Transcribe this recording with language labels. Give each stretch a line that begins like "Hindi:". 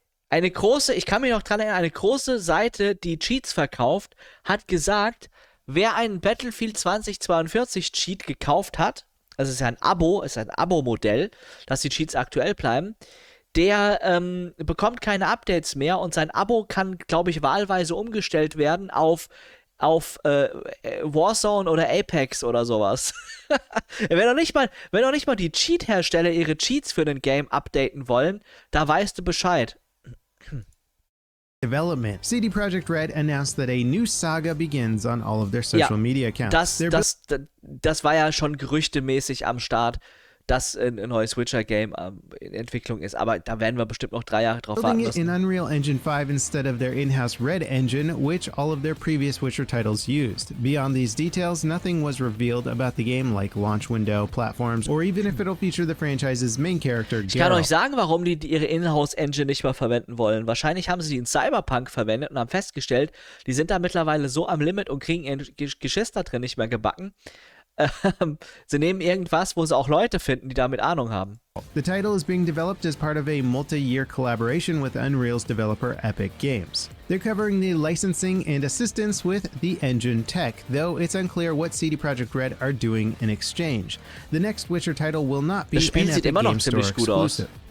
German: Ich kann mich noch dran erinnern, eine große Seite, die Cheats verkauft, hat gesagt, wer einen Battlefield 2042 Cheat gekauft hat, also es ist ja ein Abo, es ist ein Abo-Modell, dass die Cheats aktuell bleiben, der bekommt keine Updates mehr und sein Abo kann, glaube ich, wahlweise umgestellt werden auf Warzone oder Apex oder sowas. wenn noch nicht mal die Cheat-Hersteller ihre Cheats für den Game updaten wollen, da weißt du Bescheid.
English: Development. CD Projekt Red announced that a new saga begins on all of their social media accounts.
German: Das war ja schon gerüchtemäßig am Start, dass ein neues Witcher-Game in Entwicklung ist. Aber da werden wir bestimmt noch drei Jahre drauf warten müssen.
English: In Unreal Engine 5 instead of their in-house Red Engine, which all of their previous Witcher titles used. Beyond these details, nothing was revealed about the game, like launch window, platforms, or even if it'll feature the franchise's main character, Geralt.
German: Ich kann euch sagen, warum die ihre In-house-Engine nicht mehr verwenden wollen. Wahrscheinlich haben sie die in Cyberpunk verwendet und haben festgestellt, die sind da mittlerweile so am Limit und kriegen ihren Geschiss da drin nicht mehr gebacken. Sie nehmen irgendwas, wo sie auch Leute finden, die damit Ahnung haben.
English: The title is being developed as part of a multi-year collaboration with Unreal's developer Epic Games. They're covering the licensing and assistance with the engine tech, though it's unclear what CD Projekt Red are doing in exchange. The next Witcher title will not be an Epic Games Store exclusive.